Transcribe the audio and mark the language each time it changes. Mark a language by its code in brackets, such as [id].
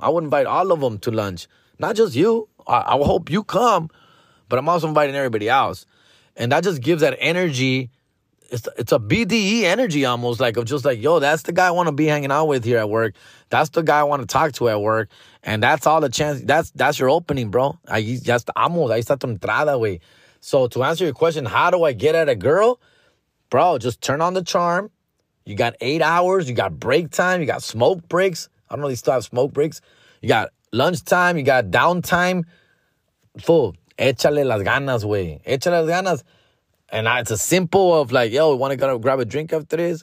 [en] I would invite all of them to lunch. Not just you. I hope you come, but I'm also inviting everybody else. And that just gives that energy. It's a BDE energy almost, like, of just like, yo, that's the guy I want to be hanging out with here at work. That's the guy I want to talk to at work. And that's all the chance. That's your opening, bro. [es] Ahí está tu entrada, güey. [en] So to answer your question, how do I get at a girl? Bro, just turn on the charm. You got 8 hours. You got break time. You got smoke breaks. I don't know if they still have smoke breaks. You got lunchtime. You got downtime. Fool, [es] échale las ganas, güey. Échale las ganas. [en] And it's a simple of like, yo, you want to go grab a drink after this?